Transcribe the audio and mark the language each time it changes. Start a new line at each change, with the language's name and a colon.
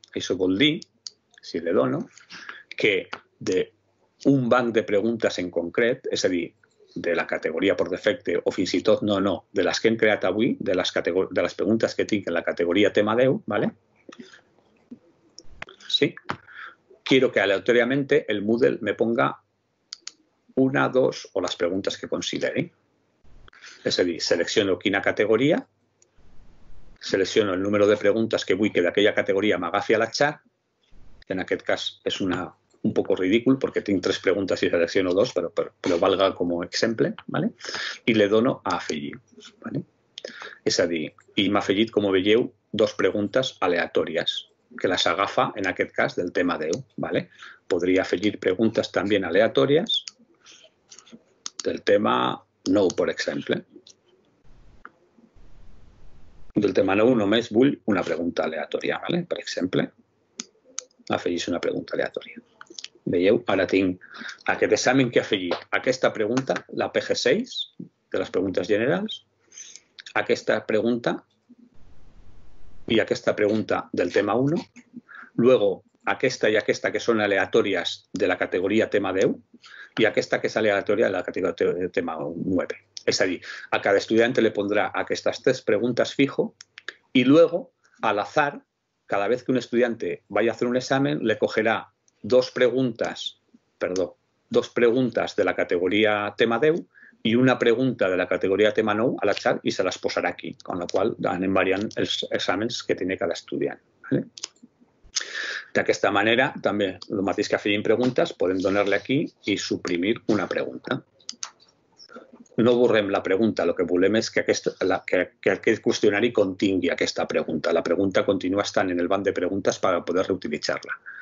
Catalan: Això vol dir, si li dono, que de un banc de preguntes en concret, és a dir, de la categoria per defecte o fins i tot no, de les que hem creat avui, de les preguntes que tinc en la categoria tema 10, ¿vale? Sí.
Spanish: Quiero que aleatoriamente el Moodle me ponga una, dos o las
Catalan: preguntes que consideri. És a dir, selecciono quina categoria, selecciono el número de preguntes que vull que d'aquella categoria m'agafi a la xar, que en aquest cas és un poco ridícul perquè tinc 3 preguntes i selecciono 2, però valga com a exemple, ¿vale? I le dono a afegir. ¿Vale? És a dir, i m'ha afegit, com veieu, 2 preguntes aleatòries que les agafa, en aquest cas, del tema 10. ¿Vale? Podria afegir preguntes també aleatòries del tema 9, per exemple. Del tema 9 només vull una pregunta aleatòria, ¿vale? Per exemple. Afegís una pregunta aleatòria. Veieu? Ara tinc aquest examen que afegir aquesta pregunta, la PG6, de les preguntes generals, aquesta pregunta i aquesta pregunta del tema 1, luego aquesta i aquesta que són aleatòries de la categoria tema 10 i aquesta que és aleatòria de la categoria de tema 9. És a dir, a cada estudiant li pondrà aquestes 3 preguntes
Spanish: fijo i luego, al azar, cada vez que un estudiante vaya a hacer un examen, le cogerá dos preguntas de la categoría tema 10 y una pregunta de la categoría tema 9 a la chat y se las posará aquí, con lo cual
Catalan: anem variant els exàmens
Spanish: que tiene cada estudiant. ¿Vale?
Catalan: D'aquesta manera, també, el mateix que afegim preguntes, podem donar-li aquí i suprimir una pregunta. No borrem la pregunta, el que volem és que aquest qüestionari contingui aquesta pregunta. La pregunta continua estant en el banc de preguntes per poder reutilitzar-la.